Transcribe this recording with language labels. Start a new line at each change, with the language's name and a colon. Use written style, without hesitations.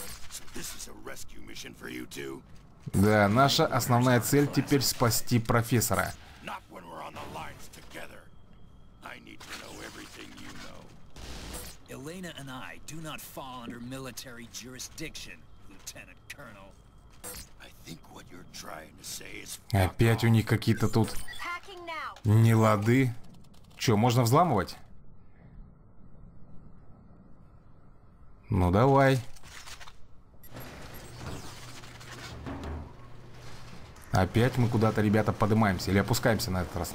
English: So this is a rescue mission for you two.
Russian: Да, наша основная цель теперь спасти профессора.
English: Not when we're on the lines together. I need to know everything you know. Elena and I do not fall under military jurisdiction, Lieutenant Colonel. I think what you're trying to say is...
Russian: Опять у них какие-то тут нелады. Че, можно взламывать? Ну давай. Опять мы куда-то, ребята, поднимаемся. Или опускаемся на этот раз.